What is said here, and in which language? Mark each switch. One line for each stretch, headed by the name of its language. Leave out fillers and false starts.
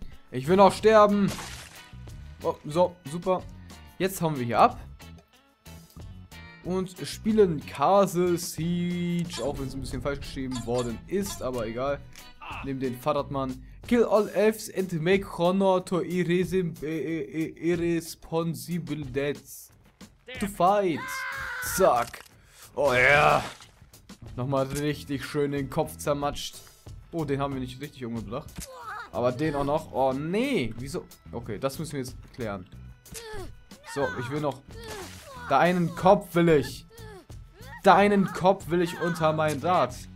German: Ich will noch sterben. Oh, so, super. Jetzt hauen wir hier ab. Und spielen Castle Siege. Auch wenn es ein bisschen falsch geschrieben worden ist. Aber egal. Nehmen den Fahrradmann.
English: Kill all elves and make honor to irresponsible deaths. To fight.
German: Zack. Oh ja.
English: Yeah.
German: Nochmal richtig schön den Kopf zermatscht. Oh, den haben wir nicht richtig umgebracht. Aber den auch noch. Oh nee. Wieso? Okay, das müssen wir jetzt klären. So, ich will noch. Deinen Kopf will ich. Deinen Kopf will ich unter mein Rad.